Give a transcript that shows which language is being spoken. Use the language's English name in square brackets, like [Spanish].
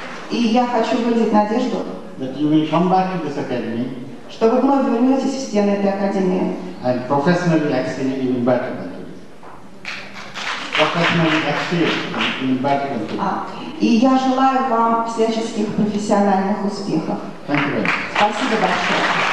[Russian] И я хочу выразить надежду, [English] that you will come back to this academy, [Russian] что вы вновь вернетесь в стены этой академии. [English] And professionally excel even better than you. Professionally excel even better than you. [Russian] И я желаю вам всяческих профессиональных успехов. [English] Thank you very much. [Russian] Спасибо большое.